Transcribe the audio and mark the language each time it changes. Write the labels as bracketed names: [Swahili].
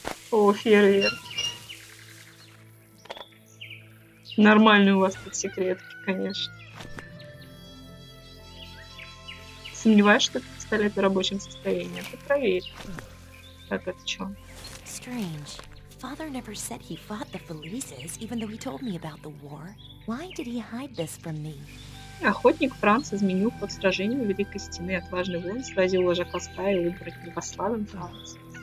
[Russian] О, фейерверк. Нормальные у вас тут секретки, конечно. Сомневаюсь, что это пистолет в рабочем состоянии. Это проверь. Так, это чё? [English] Strange. Father never said he fought the Felices, even though he told me about the war. Why did he hide this from me? [Russian] Охотник Франц изменил ход сражения у Великой Стены. Отважный воин сразил вожака стаи и убрать его славным Франц.